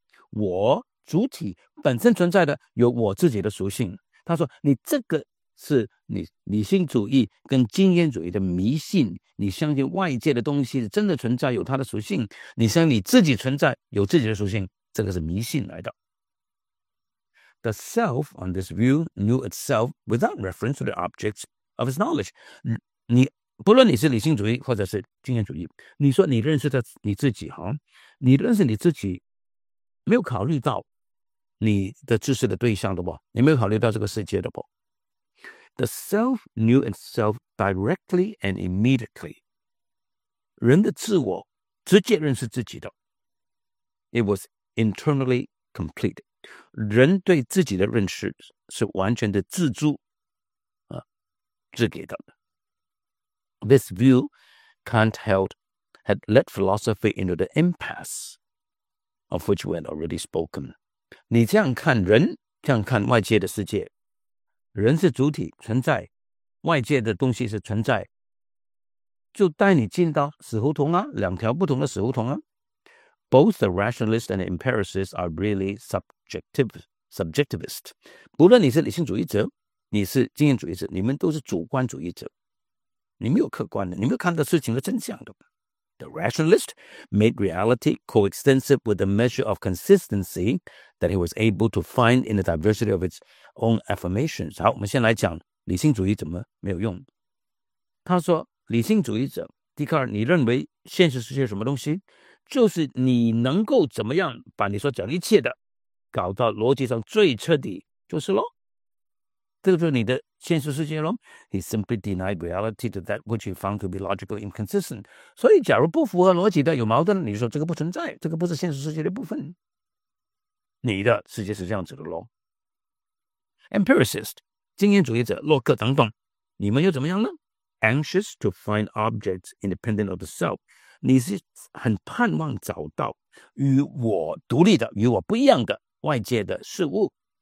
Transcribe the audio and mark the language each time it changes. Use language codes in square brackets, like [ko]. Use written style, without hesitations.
[zh] 我主体本身存在的，有我自己的属性。他说你这个是你理性主义跟经验主义的迷信，你相信外界的东西真的存在，有它的属性，你相信你自己存在，有自己的属性，这个是迷信来的。 [en] The self on this view knew itself without reference to the objects of its knowledge. [zh] 你不论你是理性主义或者是经验主义，你说你认识的你自己，你认识你自己没有考虑到你的知识的对象的不？你没有考虑到这个世界的不？ [en] The self knew itself directly and immediately. [zh] 人的自我直接认识自己的。 [en] It was internally complete. [zh] 人对自己的认识是完全的自助自给的。 [en] This view Kant held had led philosophy into the impasse. Of which we had already spoken. [zh] 你这样看人，这样看外界的世界，人是主体存在，外界的东西是存在，就带你进到死胡同啊，两条不同的死胡同啊。 [en] Both the rationalist and the empiricist are really subjectivist. [zh] 不论你是理性主义者，你是经验主义者，你们都是主观主义者，你没有客观的，你没有看到事情的真相的。 [en] The rationalist made reality coextensive with the measure of consistency that he was able to find in the diversity of its own affirmations. [zh] 好，我们先来讲理性主义怎么没有用。他说，理性主义者，笛卡尔，你认为现实世界什么东西？就是你能够怎么样把你所讲一切的搞到逻辑上最彻底，就是咯。这个就是你的现实世界咯。 [en] He simply denied reality to that which he found to be logically inconsistent. [zh] 所以假如不符合逻辑的，有矛盾，你说这个不存在，这个不是现实世界的部分，你的世界是这样子的咯。 Empiricist 经验主义者洛克等等，你们又怎么样呢？ [en] Anxious to find objects independent of the self， [zh] 你是很盼望找到与我独立的，与我不一样的外界的事物。